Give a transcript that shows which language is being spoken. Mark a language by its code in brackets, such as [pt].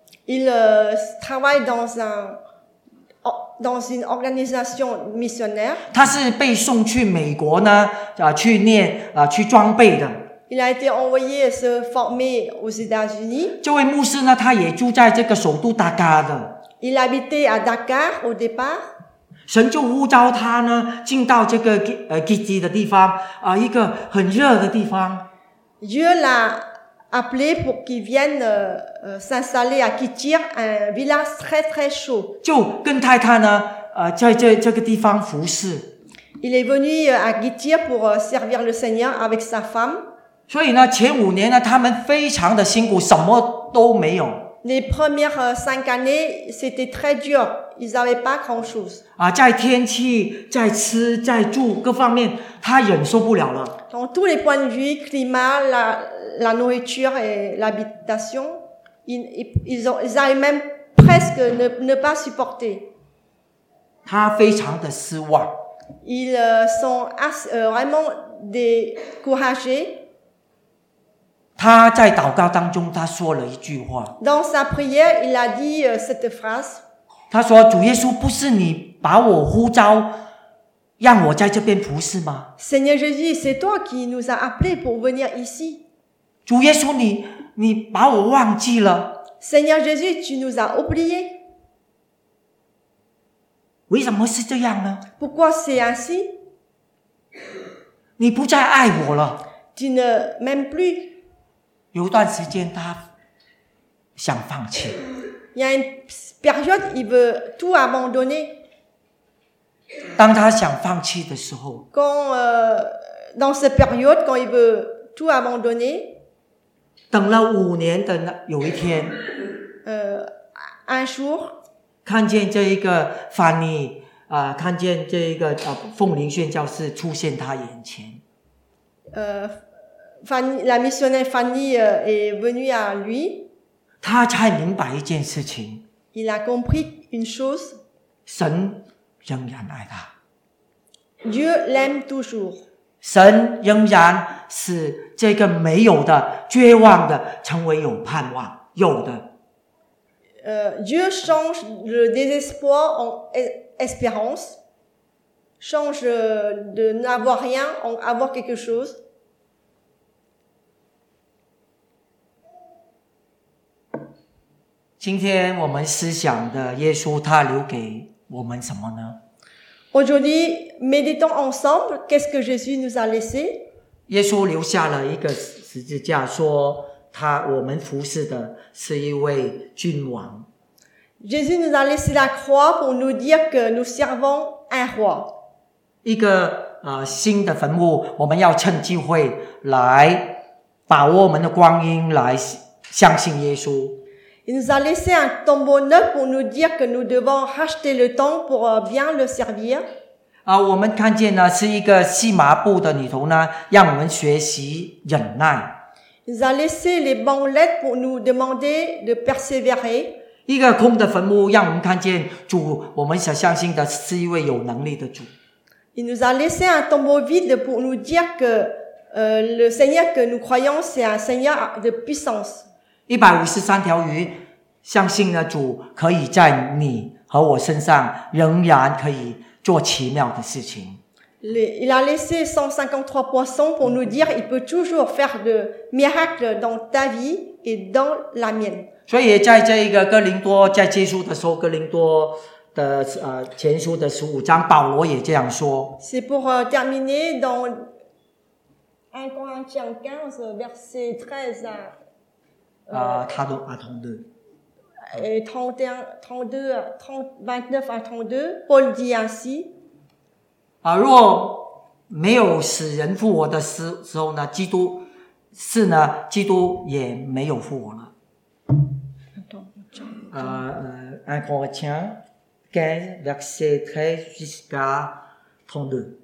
[fr] Il travaille dans une organisation missionnaire. [zh] 他是被送去美国呢去念去装备的。 [fr] Il a été envoyé se former aux États-Unis. [zh] 这位牧师呢，他也住在这个首都达喀的。 [fr] Il habitait à Dakar au départ. [zh] 神就呼召他呢，进到这个基基的地方啊，一个很热的地方。 [fr] Dieu l'a appelé pour qu'il vienne s'installer à Kitir, un village très très chaud. [zh] 就跟太太呢，在这个地方服侍。 [fr] Il est venu à Kitir pour servir le Seigneur avec sa femme. [zh] 所以呢，前五年呢，他们非常的辛苦，什么都没有。 [fr] Les premières cinq années, c'était très dur. Ils n'avaient pas grand chose. [zh] 啊，在天气、在吃、在住各方面，他忍受不了了。 [fr] Dans tous les points de vue, climat, la nourriture et l'habitation, ils avaient même presque ne pas supporté. [zh] 他非常的失望。 [fr] Ils sont vraiment découragés. [zh] 他在祷告当中，他说了一句话。 [fr] Dans sa prière, il a dit cette phrase. [zh] 他说：“主耶稣，不是你把我呼召，让我在这边服侍吗 [fr] ？”Seigneur Jésus, c'est toi qui nous a appelés pour venir ici. [zh] 主耶稣，你把我忘记了。 [fr] Seigneur Jésus, tu nous as oubliés. [zh] 为什么是这样呢 [fr] ？Pourquoi c'est ainsi？ [zh] 你不再爱我了。 [fr] Tu ne m'aimes plus. [zh] 有段时间他想放弃。 [fr] Il y a une période, il veut tout abandonner. [zh] 当他想放弃的时候。 [fr] Quand, dans cette période quand il veut tout abandonner. [zh] 等了五年，等了有一天。 [fr] Un jour. [zh] 看见这一个范妮啊，看见这一个凤林宣教士出现他眼前。 [fr] La missionnaire Fanny est venue à lui. [zh] 他才明白一件事情。 [fr] Il a compris une chose. [zh] 神仍然爱他。 [fr] Dieu l'aime toujours. [zh] 神仍然使这个没有的、绝望的成为有盼望、有的。 [fr] Dieu change le désespoir en espérance. Change de n'avoir rien en avoir quelque chose. [zh] 今天我们思想的耶稣他留给我们什么呢 [fr] Aujourd'hui, méditons ensemble, qu'est-ce que Jésus nous a laissé? [zh] 耶稣留下了一个十字架说他我们服侍的是一位君王。 [fr] Jésus nous a laissé la croix pour nous dire que nous servons un roi. [zh] 一个新的坟墓我们要趁机会来把握我们的光阴来相信耶稣。 [fr] Il nous a laissé un tombeau neuf pour nous dire que nous devons racheter le temps pour bien le servir. [zh] 我们看见呢，是一个细麻布的里头呢，让我们学习忍耐。 [fr] Il nous a laissé les bandelettes pour nous demander de persévérer. [zh] 一个空的坟墓，让我们看见主，我们所相信的是一位有能力的主。 [fr] Il nous a laissé un tombeau vide pour nous dire que le Seigneur que nous croyons c'est un Seigneur de puissance. [zh] 153条鱼相信呢主可以在你和我身上仍然可以做奇妙的事情。 [fr] Il a laissé 153 poissons pour nous dire il peut toujours faire de miracles dans ta vie et dans la mienne. [zh] 所以在这个哥林多在结束的时候哥林多的前书的15章保罗也这样说。 [fr] C'est pour terminer dans 1 Corinthiens 15 verset 13 à Paul dit ainsi. [zh] 若没有使人复活的时候呢，基督是呢，基督也没有复活了。 [fr] 1 Corinthiens 15 verset 13 jusqu'à 32.